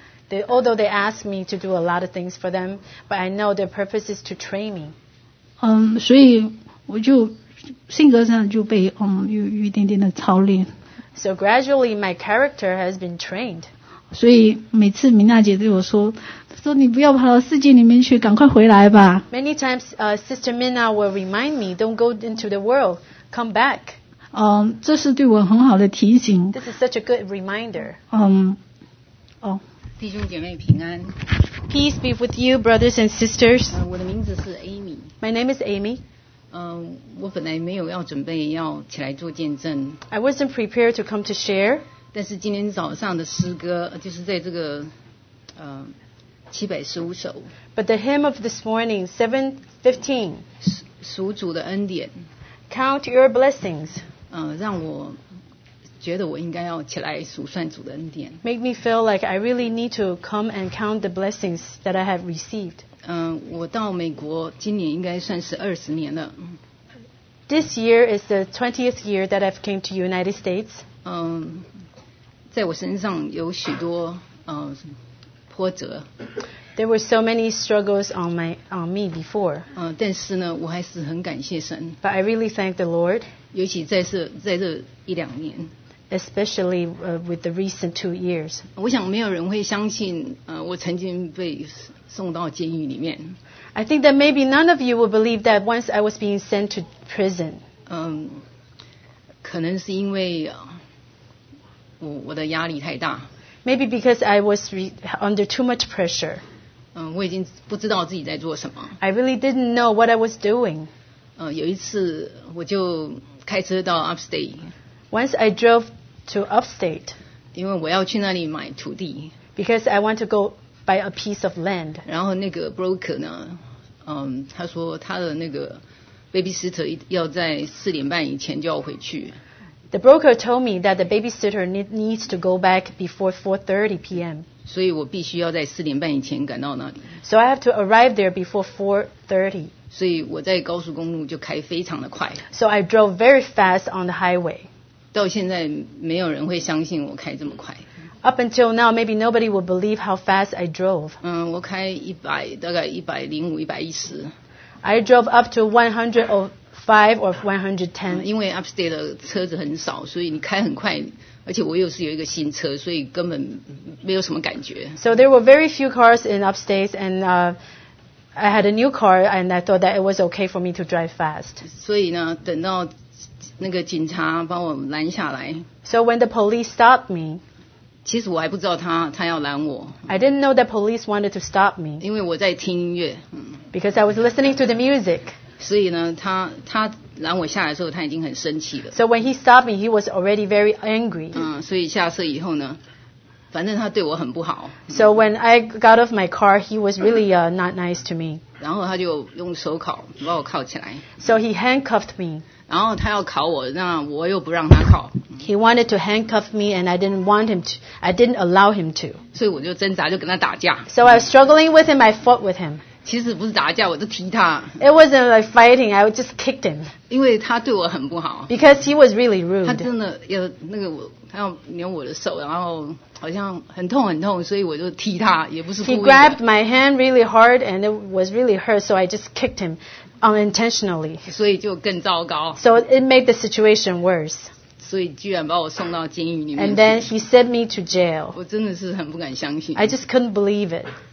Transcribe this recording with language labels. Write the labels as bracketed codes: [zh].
[en] Although they ask me to do a lot of things for them, but I know their purpose is to train me. [zh] 所以我就性格上就被有一点点的操练。 [en] So gradually, my character has been trained. [zh] 所以每次明娜姐对我说，她说你不要跑到世界里面去，赶快回来吧。 [en] Many times, Sister Minna will remind me, "Don't go into the world, come back." [zh] 这是对我很好的提醒。 [en] This is such a good reminder. [zh] 弟兄姐妹平安。 [en] Peace be with you, brothers and sisters. [zh] 我的名字是 Amy. [en] My name is Amy. [zh] 我本来没有要准备要起来做见证。 [en] I wasn't prepared to come to share. [zh] 但是今天早上的诗歌就是在这个715首 [en] But the hymn of this morning 715 [zh] 数主的恩典 [en] Count your blessings [zh] 让我觉得我应该要起来数算主的恩典 [en] Make me feel like I really need to come and count the blessings that I have received [zh] 我到美国今年应该算是20年了 [en] This year is the 20th year that I've came to United States [zh] 在我身上有许多波折。 [en] There were so many struggles on me before. [zh] 但是呢，我还是很感谢神。 [en] But I really thank the Lord. [zh] 尤其在这一两年。 [en] Especially with the recent 2 years. [zh] 我想没有人会相信，我曾经被送到监狱里面。 [en] I think that maybe none of you will believe that once I was being sent to prison. [zh] 可能是因为。我的压力太大。 [en] Maybe because I was under too much pressure. [zh] 我已经不知道自己在做什么。 [en] I really didn't know what I was doing. [zh] 有一次我就开车到 upstate. [en] Once I drove to upstate. [zh] 因为我要去那里买土地。 [en] Because I want to go buy a piece of land. [zh] 然后那个 broker 呢，他说他的那个 babysitter 要在4:30以前就要回去。 [en] The broker told me that the babysitter needs to go back before 4:30 p.m. [zh] 所以我必须要在4:30以前赶到那里。 [en] So I have to arrive there before 4:30. [zh] 所以我在高速公路就开非常的快。 [en] So I drove very fast on the highway. [zh] 到现在没有人会相信我开这么快。 [en] Up until now, maybe nobody will believe how fast I drove. [zh] 我开大概105-110. [en] I drove up to 105 or 110. [zh] 因为 upstate 的车子很少，所以你开很快，而且我又是有一个新车，所以根本没有什么感觉。 [en] So there were very few cars in upstate, and I had a new car, and I thought that it was okay for me to drive fast. [zh] 所以呢，等到那个警察把我拦下来。 [en] So when the police stopped me. [zh] 其实我还不知道他要拦我。 [en] I didn't know that police wanted to stop me. [zh] 因为我在听音乐。 [en] Because I was listening to the music. [zh] 所以呢，他拦我下来的时候，他已经很生气了。 [en] So when he stopped me, he was already very angry. [zh] 所以下车以后呢，反正他对我很不好。 [en] So when I got off my car, he was really not nice to me. [zh] 然后他就用手铐把我铐起来。 [en] So he handcuffed me. [zh] 然后他要铐我，那我又不让他铐。 [en] He wanted to handcuff me, and I didn't want him to. I didn't allow him to. [zh] 所以我就挣扎，就跟他打架。 [en] So I was struggling with him. I fought with him. [zh] 其实不是打架，我就踢他。 [en] It wasn't like fighting, I just kicked him. [zh] 因为他对我很不好。 [en] Because he was really rude. [zh] 他真的要那个，他要扭我的手，然后好像很痛很痛，所以我就踢他，也不是故意的。 [en] He grabbed my hand really hard, and it was really hurt, so I just kicked him unintentionally. [zh] 所以就更糟糕。 [en] So it made the situation worse. [zh] 所以居然把我送到监狱里面。 [en] And then he sent me to jail. [zh] 我真的是很不敢相信。 [en] I just couldn't believe it.